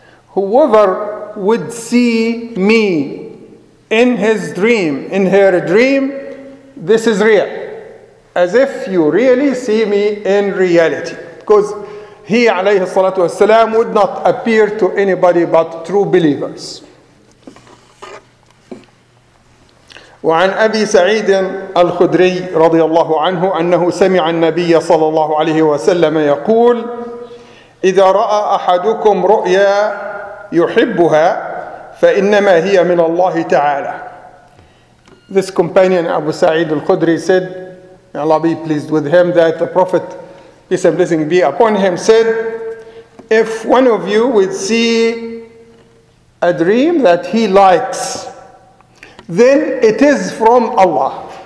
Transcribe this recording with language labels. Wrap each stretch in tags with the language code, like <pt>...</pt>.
<en>Whoever would see me in his dream, in her dream, this is real. As if you really see me in reality. Because he,</en> <ar>عليه الصلاة والسلام,</ar> <en>would not appear to anybody but true believers.</en> <ar>وعن أبي سعيد الخدري رضي الله عنه أنه سمع النبي صلى الله عليه وسلم يقول إذا رأى أحدكم رؤيا يحبها فإنما هي من الله تعالى.</ar> <en>This companion Abu Sa'id al-Khudri said, may Allah be pleased with him, that the Prophet, peace and blessing be upon him, said, if one of you would see a dream that he likes, then it is from Allah.</en>